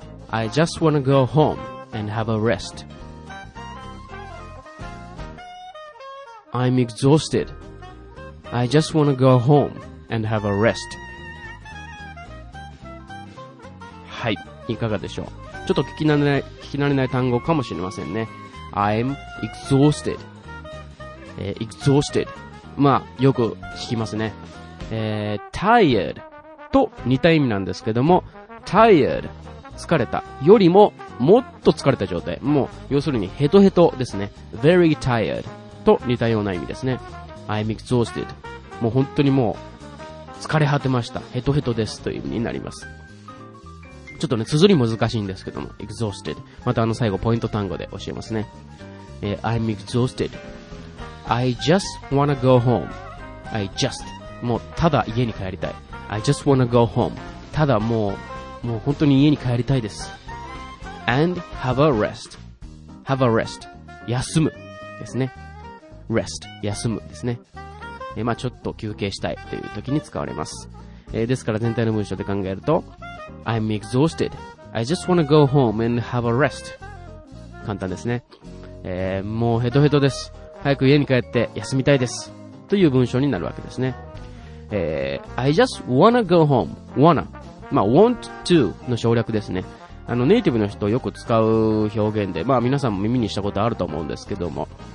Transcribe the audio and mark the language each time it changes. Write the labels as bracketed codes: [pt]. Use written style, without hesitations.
[en] I just wanna go home and have a rest. I'm exhausted. I just wanna go home and have a rest. [ja] はい、いかがでしょう。ちょっと聞き慣れない単語かもしれませんね。 [en] I'm exhausted、exhausted、 [ja] まあよく聞きますね、tired と似た意味なんですけども、 tired 疲れたよりももっと疲れた状態、もう要するにヘトヘトですね。 very tired と似たような意味ですね。 [en] I'm exhausted、 [ja] もう本当にもう疲れ果てました、ヘトヘトですという意味になります。ちょっとね、綴り難しいんですけども、exhausted。またあの最後、ポイント単語で教えますね。 [en] I'm exhausted. I just wanna go home. I just. [ja] もう、ただ家に帰りたい。 [en] I just wanna go home. [ja] ただもう本当に家に帰りたいです。 [en] And have a rest. Have a rest. [ja] 休む。ですね。 [en] rest. 休む。ですね。 [ja] まあちょっと休憩したいという時に使われます。ですから全体の文章で考えると、 [en] I'm exhausted. I just wanna go home and have a rest. [ja] 簡単ですね、もうヘトヘトです。早く家に帰って休みたいです。という文章になるわけですね。 [en] I just wanna go home. Wanna. まあ、want to [ja] の省略ですね。あの、ネイティブの人よく使う表現で、まあ、皆さんも耳にしたことあると思うんですけども。